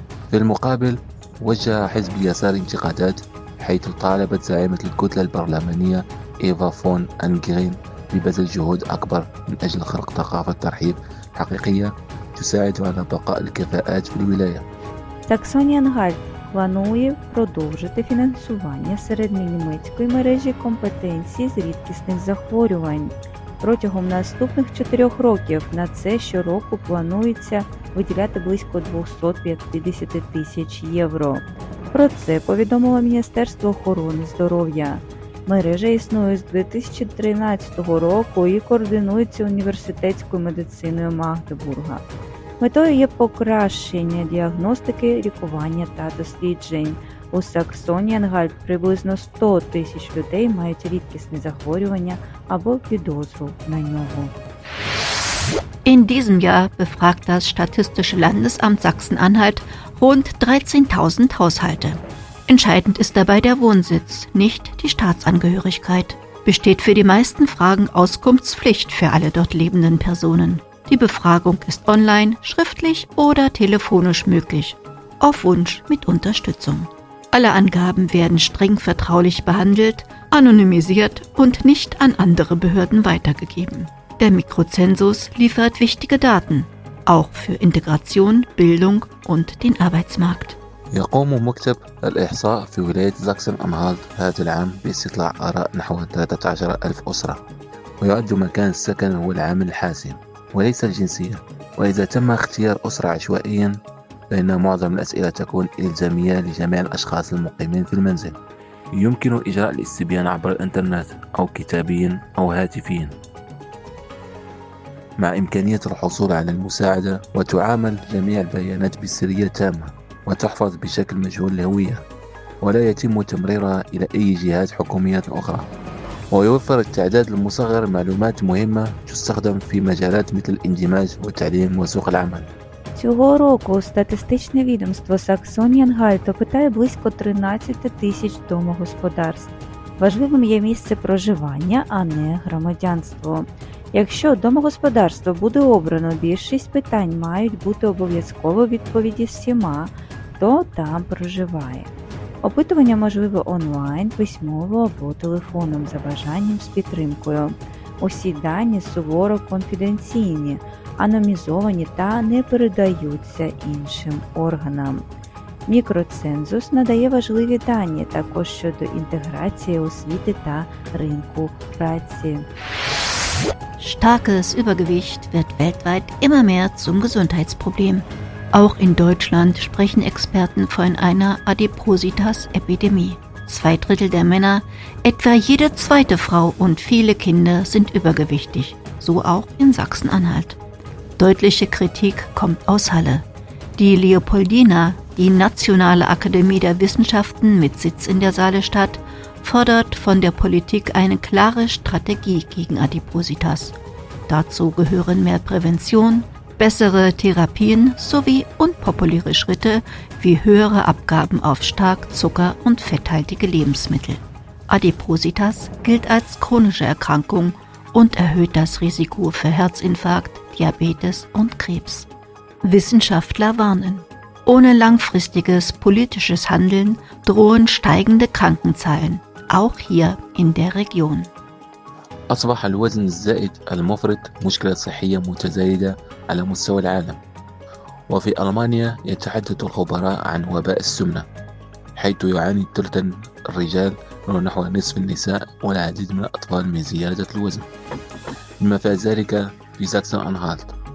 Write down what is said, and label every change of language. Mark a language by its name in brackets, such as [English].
[Arabic] في المقابل وجه حزب اليسار انتقادات، حيث طالبت زعيمة الكتلة البرلمانية إيفا فون أنجرين ببذل جهود أكبر من أجل خلق ثقافة ترحيب حقيقية تساعد على بقاء الكفاءات في الولاية. [Ukrainian] Планує продовжити фінансування середньонімецької мережі компетенції з рідкісних захворювань. Протягом наступних 4 років на це щороку планується виділяти близько 250 тисяч євро. Про це повідомило Міністерство охорони здоров'я. Мережа існує з 2013 року і координується університетською медициною Магдебурга. Метою є покращення діагностики, лікування та досліджень. У Саксонії-Анхальт приблизно 100 тисяч людей мають рідкісні захворювання або підозру на нього. [German] In diesem Jahr befragt das Statistische Landesamt Sachsen-Anhalt rund 13.000 Haushalte. Entscheidend ist dabei der Wohnsitz, nicht die Staatsangehörigkeit. Besteht für die meisten Fragen Auskunftspflicht für alle dort lebenden Personen. Die Befragung ist online, schriftlich oder telefonisch möglich, auf Wunsch mit Unterstützung. Alle Angaben werden streng vertraulich behandelt, anonymisiert und nicht an andere Behörden weitergegeben. Der Mikrozensus liefert wichtige Daten, auch für Integration, Bildung und den Arbeitsmarkt. [Arabic] يقوم مكتب الإحصاء في ولاية ساكسن-أنهالت هذا العام باستطلاع آراء نحو 13,000 أسرة، ويعد مكان السكن هو العامل الحاسم وليس الجنسية. وإذا تم اختيار أسرة عشوائيا، فإن معظم الأسئلة تكون إلزامية لجميع الأشخاص المقيمين في المنزل. يمكن إجراء الاستبيان عبر الإنترنت أو كتابيا أو هاتفيا، مع إمكانية الحصول على المساعدة، وتعامل جميع البيانات بسرية تامة وتحفظ بشكل مجهول الهوية، ولا يتم تمريرها إلى أي جهات حكومية أخرى. ويوفر التعداد المصغر معلومات مهمة تستخدم في مجالات مثل الاندماج والتعليم وسوق العمل. [Ukrainian] Цього року статистичне відомство Саксонії-Анхальту опитає близько 13 тисяч домогосподарств. Важливим є місце проживання, а не громадянство. Якщо домогосподарство буде обрано, більшість питань мають бути обов'язково відповіді всіма, хто там проживає. Опитування можливе онлайн, письмово або телефоном за бажанням з підтримкою. Усі дані суворо конфіденційні, аномізовані та не передаються іншим органам. Мікроцензус надає важливі дані також щодо інтеграції освіти та ринку праці. [German] Starkes Übergewicht wird weltweit immer mehr zum Gesundheitsproblem. Auch in Deutschland sprechen Experten von einer Adipositas-Epidemie. Zwei Drittel der Männer, etwa jede zweite Frau und viele Kinder sind übergewichtig, so auch in Sachsen-Anhalt. Deutliche Kritik kommt aus Halle. Die Leopoldina, die Nationale Akademie der Wissenschaften mit Sitz in der Saalestadt, fordert von der Politik eine klare Strategie gegen Adipositas. Dazu gehören mehr Prävention, bessere Therapien sowie unpopuläre Schritte wie höhere Abgaben auf stark zucker- und fetthaltige Lebensmittel. Adipositas gilt als chronische Erkrankung und erhöht das Risiko für Herzinfarkt, Diabetes und Krebs. Wissenschaftler warnen: Ohne langfristiges politisches Handeln drohen steigende Krankenzahlen, auch hier in der Region. [Arabic] أصبح الوزن الزائد المفرط مشكلة صحية متزايدة على مستوى العالم، وفي ألمانيا يتحدث الخبراء عن وباء السمنة، حيث يعاني ثلث الرجال ونحو نصف النساء والعديد من الأطفال من زيادة الوزن، بما في ذلك في ساكسن-أنهالت.